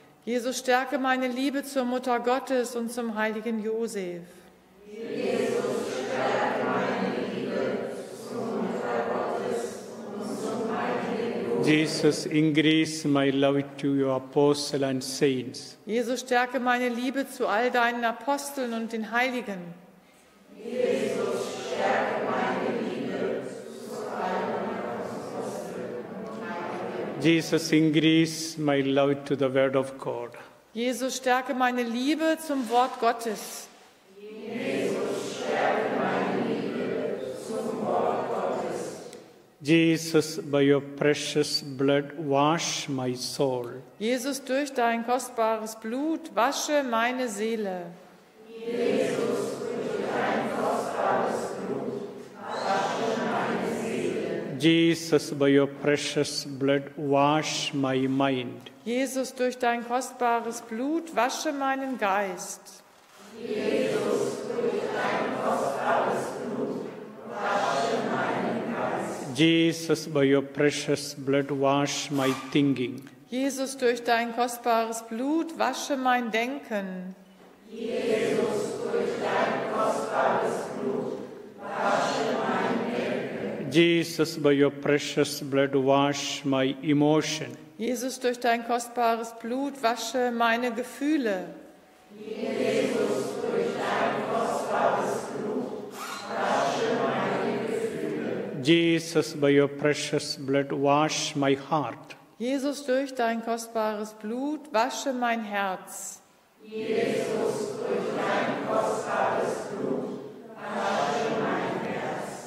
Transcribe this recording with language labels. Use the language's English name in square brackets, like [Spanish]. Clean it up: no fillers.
[German] Jesus, stärke meine Liebe zur Mutter Gottes und zum heiligen Josef. Jesus, stärke meine Liebe zur Mutter Gottes und zum heiligen Josef. [English] Jesus, increase my love to your apostles and saints. [German] Jesus, stärke meine Liebe zu all deinen Aposteln und den Heiligen. Jesus, stärke meine Liebe zu all deinen [English] Jesus, increase my love to the word of God. [German] Jesus, stärke meine Liebe zum Wort Gottes. Jesus, stärke meine Liebe zum Wort Gottes. [English] Jesus, by your precious blood, wash my soul. [German] Jesus, durch dein kostbares Blut, wasche meine Seele. Jesus, durch dein kostbares Blut, wasche meine Seele. [English] Jesus, by your precious blood, wash my mind. [German] Jesus, durch dein kostbares Blut, wasche meinen Geist. Jesus, durch dein kostbares Blut, wasche meinen Geist. [English] Jesus, by your precious blood, wash my thinking. [German] Jesus, durch dein kostbares Blut, wasche mein Denken. Jesus, durch dein kostbares Blut, wasche mein Denken. [English] Jesus, by your precious blood, wash my emotion. [German] Jesus, durch dein kostbares Blut, wasche meine Gefühle. Jesus, durch dein kostbares Blut, wasche meine Gefühle. [English] Jesus, by your precious blood, wash my heart. [German] Jesus, durch dein kostbares Blut, wasche mein Herz. Jesus, durch dein kostbares Blut, wasche mein Herz.